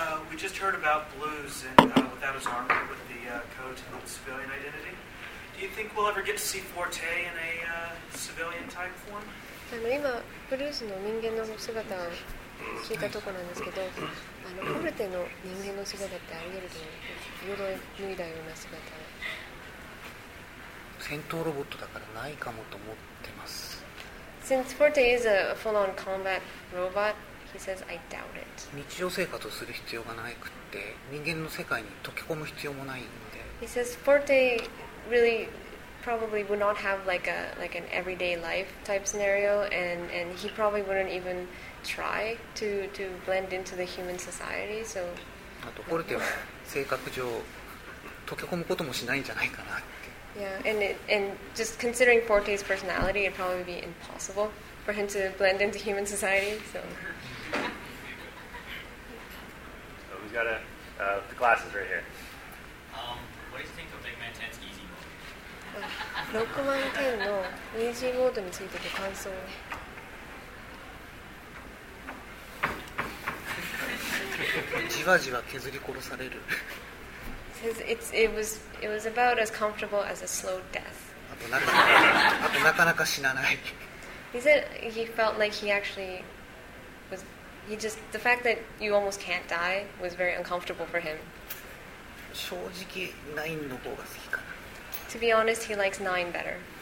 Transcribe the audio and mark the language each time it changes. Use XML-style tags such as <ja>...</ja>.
<en>We just heard about Blues and without his armor with the coat and the civilian identity. Do you think we'll ever get to see Forte in a civilian type form?</en> <ja>あの今ブルースの人間の姿を聞いたところなんですけど、あのフォルテの人間の姿ってあり得ると思う。鎧脱いだような姿。戦闘ロボットだからないかもと思ってます。</ja> <en>Since Forte is a full-on combat robot, he says I doubt it.</en> <ja>日常生活をする必要がなくって、人間の世界に溶け込む必要もないんで。</ja> <en>He says Forte really. Probably would not have like a like an everyday life type scenario, and he probably wouldn't even try to blend into the human society. So.</en> <ja>あとフォルテは性格上溶け込むこともしないんじゃないかなって。</ja> <en>Yeah, and just considering Forte's personality, it'd probably be impossible for him to blend into human society. So. So we've got a the glasses right here.</en> <ja>ロックマン10のイージーモードについてご感想を。じわじわ削り殺される。</ja> <en>It was about as comfortable as a slow death.</en> <ja>あとなかなか死なない。</ja> <en>He said he felt like he actually was he just the fact that you almost can't die was very uncomfortable for him.</en> <ja>正直9の方が好きかな。</ja> <en>To be honest, he likes 9 better.</en>